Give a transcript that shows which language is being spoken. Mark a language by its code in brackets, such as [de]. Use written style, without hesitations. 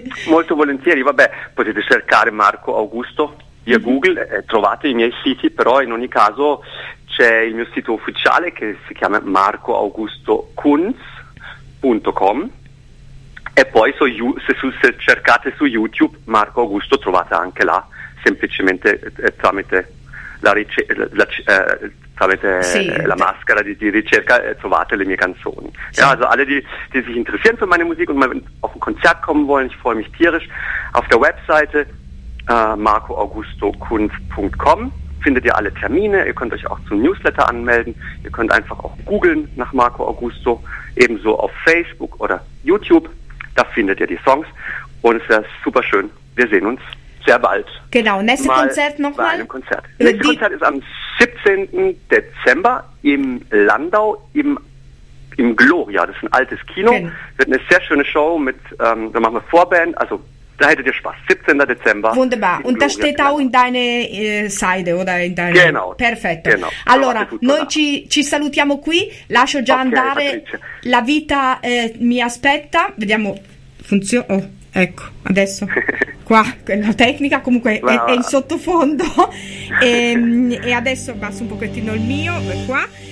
[it] Molto volentieri, vabbè, potete cercare Marco Augusto via Google e trovate i miei siti, però in ogni caso c'è il mio sito ufficiale, che si chiama Marco Augusto Kunz, marcoaugusto.com e poi se cercate su YouTube Marco Augusto trovate anche là, semplicemente tramite la maschera di ricerca trovate le mie canzoni. Sì. [de] Ja, also alle die sich interessieren für meine Musik und mal auf ein Konzert kommen wollen, ich freue mich tierisch. Auf der Webseite marcoaugustokunst.com findet ihr alle Termine, ihr könnt euch auch zum Newsletter anmelden, ihr könnt einfach auch googeln nach Marco Augusto, ebenso auf Facebook oder YouTube, da findet ihr die Songs und es wäre super schön, wir sehen uns sehr bald. Genau, nächstes Konzert nochmal? Bei einem Konzert. Nächstes Konzert ist am 17. Dezember im Landau, im Gloria, das ist ein altes Kino, wird eine sehr schöne Show mit, da machen wir Vorband, also da hättet ihr Spaß. 17. Dezember. Wunderbar. Und das steht auch in deine Seite oder in deine. Genau. [it] Perfetto. [de] Genau. [it] Allora, noi ci salutiamo qui. Lascio già andare. Patrizia. La vita mi aspetta. Vediamo. Funziona. Oh, ecco. Adesso. Qua. La tecnica comunque è in sottofondo. e adesso abbasso un pochettino il mio. Qua.